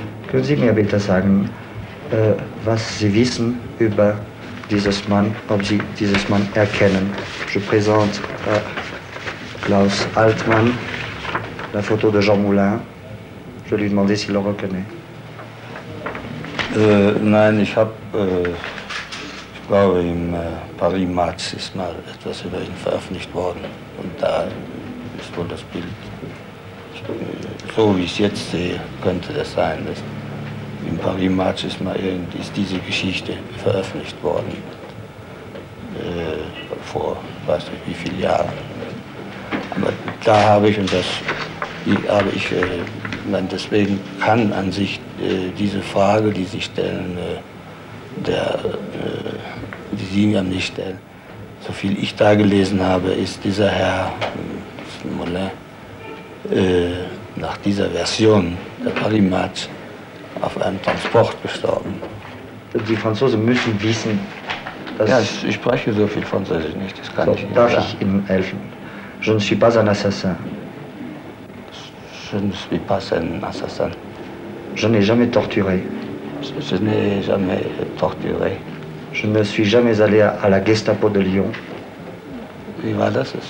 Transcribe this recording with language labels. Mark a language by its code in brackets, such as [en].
[de] Können Sie mir bitte sagen, was Sie wissen über dieses Mann, ob Sie dieses Mann erkennen? [fr] Je présente Klaus Altmann, la photo de Jean Moulin. Je lui demandais s'il le reconnaît. [de] Nein, ich habe, ich glaube, im Paris Match ist mal etwas über ihn veröffentlicht worden. Und da ist wohl das Bild, so wie ich es jetzt sehe, könnte das sein. Dass im Paris Match ist mal irgendwie diese Geschichte veröffentlicht worden. Vor weiß nicht wie vielen Jahren. Aber da habe ich, und das habe ich, meine, deswegen kann an sich diese Frage, die Sie stellen, die Sie mir nicht stellen, so viel ich da gelesen habe, ist dieser Herr Moulin nach dieser Version der Paris Match auf einem Transport gestorben. Die Franzosen müssen wissen, dass... Ja, ich spreche so viel Französisch nicht, das kann so, ich nicht. Darf ich Ihnen helfen? [fr] Je ne suis pas un assassin. Je ne suis pas un assassin. Je n'ai jamais torturé. Je n'ai jamais torturé. Je ne suis jamais allé à la Gestapo de Lyon. Et voilà, ça,